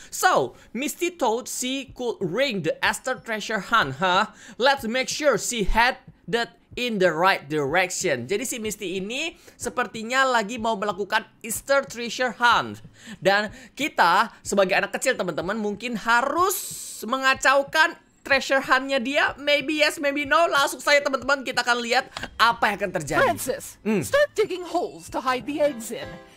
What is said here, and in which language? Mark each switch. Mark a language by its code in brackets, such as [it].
[en] So, Misty told she could ring the Esther treasure hunt, huh? Let's make sure she had that in the right direction. [id] Jadi si Misty ini sepertinya lagi mau melakukan Easter treasure hunt. Dan kita sebagai anak kecil teman-teman mungkin harus mengacaukan treasure hunt-nya dia. [en] Maybe yes, maybe no. [id] Langsung saja teman-teman kita akan lihat apa yang akan terjadi. [en] Francis, start digging holes to hide the eggs in.